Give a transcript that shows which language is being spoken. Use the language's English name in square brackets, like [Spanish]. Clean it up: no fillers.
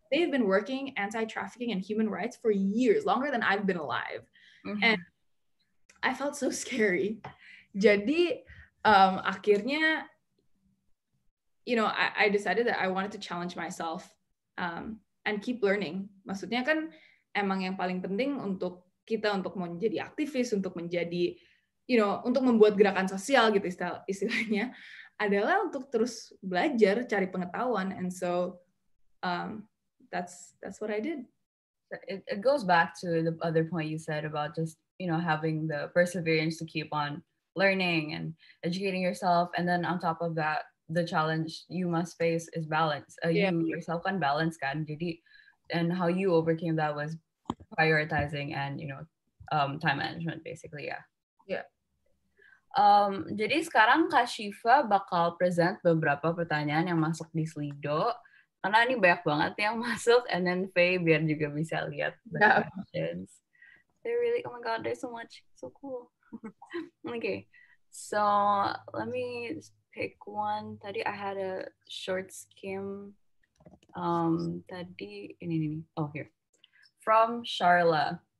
[English] They've been working anti-trafficking and human rights for years, longer than I've been alive. Mm-hmm. And I felt so scary. [Indonesian] Jadi, akhirnya, [English] you know, I decided that I wanted to challenge myself and keep learning. [Indonesian] Maksudnya kan, emang yang paling penting untuk kita untuk menjadi aktivis, untuk menjadi, you know, untuk membuat gerakan sosial gitu istilahnya, adalah untuk terus belajar, cari pengetahuan. [English] And so, that's what I did. It goes back to the other point you said about just, you know, having the perseverance to keep on learning and educating yourself. And then on top of that, the challenge you must face is balance. You yourself can balance, kan? Jadi, and how you overcame that was prioritizing and, you know, time management, basically. Yeah. Yeah. [Indonesian] Jadi sekarang Kak Shiva bakal present beberapa pertanyaan yang masuk di Slido. Karena ini banyak banget yang masuk, and then Faye biar juga bisa lihat [English] the questions. They're really, oh my god, there's so much, so cool. Okay, so let me pick one. Tadi I had a short skim. [Indonesian] Tadi ini. [English] Oh, here. From Sharla.